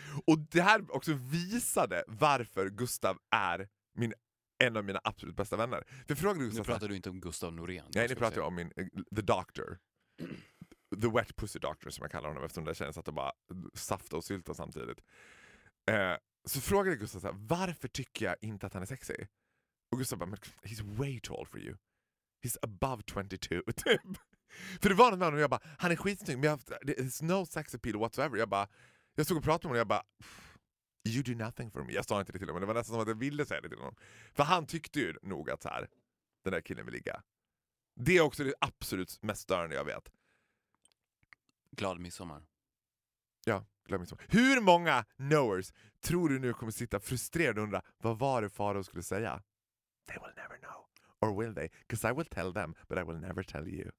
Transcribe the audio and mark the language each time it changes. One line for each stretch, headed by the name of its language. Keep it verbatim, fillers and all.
Swedish: Och det här också visade varför Gustav är min, en av mina absolut bästa vänner. För frågade Gustav, nu pratar du inte om Gustav Norén. Nej, nu pratar jag om min,
English: the doctor. The wet pussy doctor
Swedish: som jag kallar honom eftersom det känns att det bara safta och sylta samtidigt. Eh, så frågade Gustav så här, varför tycker jag inte att han är sexy? Och Gustav bara,
English: he's way tall for you. He's above twenty-two, typ.
Swedish: För det var någon annan och jag bara, han är skitsnygg, men jag
English: there's no sex appeal whatsoever.
Swedish: Jag bara, jag stod och pratade med honom och jag bara,
English: you do nothing for me.
Swedish: Jag sa inte det till honom, men det var nästan som att jag ville säga det till honom. För han tyckte ju nog att så här, den där killen vill ligga. Det är också det absolut mest störande jag vet. Glad midsommar. Ja, glad midsommar. Hur många knowers tror du nu kommer sitta frustrerad och undra, vad var det Faro skulle säga?
English: They will never know. Or will they? Because I will tell them, but I will never tell you.